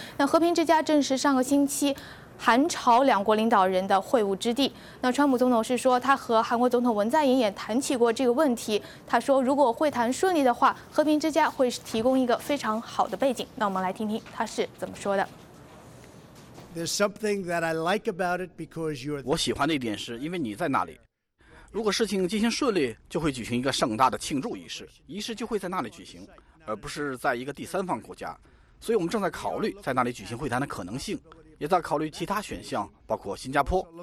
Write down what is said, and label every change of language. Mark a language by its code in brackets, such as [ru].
[zh] 那和平之家正是上个星期韩朝两国领导人的会晤之地。那川普总统是说，他和韩国总统文在寅也谈起过这个问题。他说，如果会谈顺利的话，和平之家会提供一个非常好的背景。那我们来听听他是怎么说的。 [en] There's something that I like about it because you're. [zh] 我喜欢的一点是因为你在那里。如果事情进行顺利，就会举行一个盛大的庆祝仪式，仪式就会在那里举行，而不是在一个第三方国家。所以我们正在考虑在那里举行会谈的可能性。也在考虑其他选项，包括新加坡。